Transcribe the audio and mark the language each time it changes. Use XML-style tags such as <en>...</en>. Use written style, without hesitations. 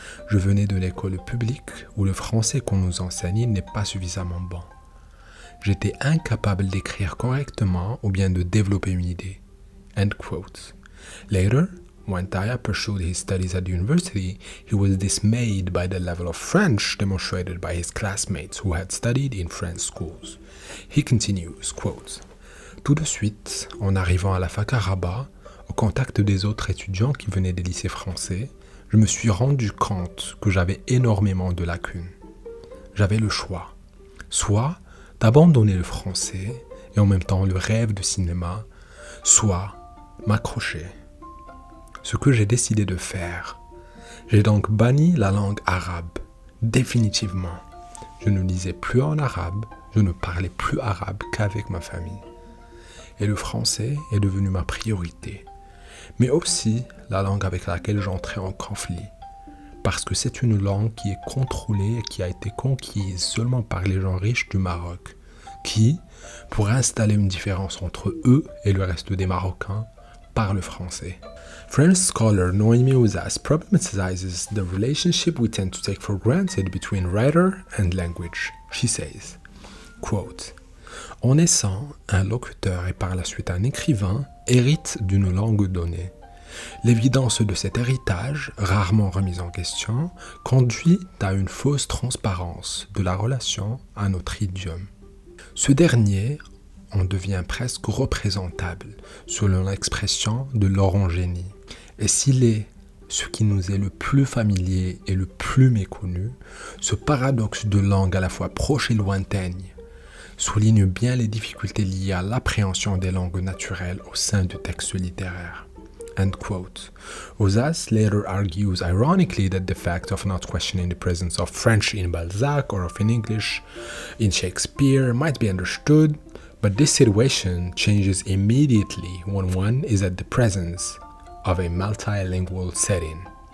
<fr>Je venais de l'école publique où le français qu'on nous enseigne n'est pas suffisamment bon. J'étais incapable d'écrire correctement ou bien de développer une idée."</fr> <en>End quote. Later, when Taïa pursued his studies at the university, he was dismayed by the level of French demonstrated by his classmates who had studied in French schools. He continues, quote,</en> <fr>"Tout de suite, en arrivant à la fac à Rabat, au contact des autres étudiants qui venaient des lycées français, je me suis rendu compte que j'avais énormément de lacunes. J'avais le choix, soit d'abandonner le français et en même temps le rêve de cinéma, soit m'accrocher. Ce que j'ai décidé de faire, j'ai donc banni la langue arabe, définitivement. Je ne lisais plus en arabe, je ne parlais plus arabe qu'avec ma famille. Et le français est devenu ma priorité. Mais aussi la langue avec laquelle j'entrais en conflit. parce que c'est une langue qui est contrôlée et qui a été conquise seulement par les gens riches du Maroc, qui, pour installer une différence entre eux et le reste des Marocains, parlent français.</fr> <en>French scholar Noémie Ouzas problematizes the relationship we tend to take for granted between writer and language. She says, quote,</en> <fr>en naissant, un locuteur et par la suite un écrivain hérite d'une langue donnée. L'évidence de cet héritage, rarement remise en question, conduit à une fausse transparence de la relation à notre idiome. Ce dernier en devient presque représentable, selon l'expression de Laurent Génie. Et s'il est ce qui nous est le plus familier et le plus méconnu, ce paradoxe de langue à la fois proche et lointaine souligne bien les difficultés liées à l'appréhension des langues naturelles au sein du texte littéraire.</fr> <en>End quote. Ouzas later argues ironically that the fact of not questioning the presence of French in Balzac or of English in Shakespeare might be understood, but this situation changes immediately when one is at the presence of a multilingual setting.</en>